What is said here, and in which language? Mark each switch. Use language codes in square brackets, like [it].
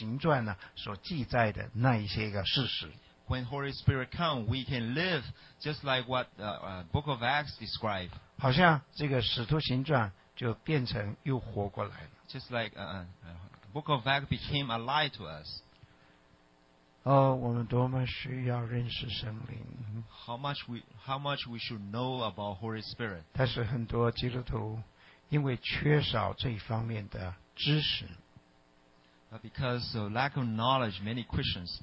[zh] 圣灵来了，我们就能够活出圣经里面，尤其《使徒行传》呢所记载的那一些个事实。 [en] When Holy Spirit comes, we can live just like what the Book of Acts describes. [zh] 好像这个《使徒行传》就变成又活过来了。 [en] Just like Book of Acts became alive to us. [zh] 哦，我们多么需要认识圣灵！ [en] How much we should know about Holy Spirit? [zh] 但是很多基督徒因为缺少这一方面的知识， [en] But because of lack of knowledge, many Christians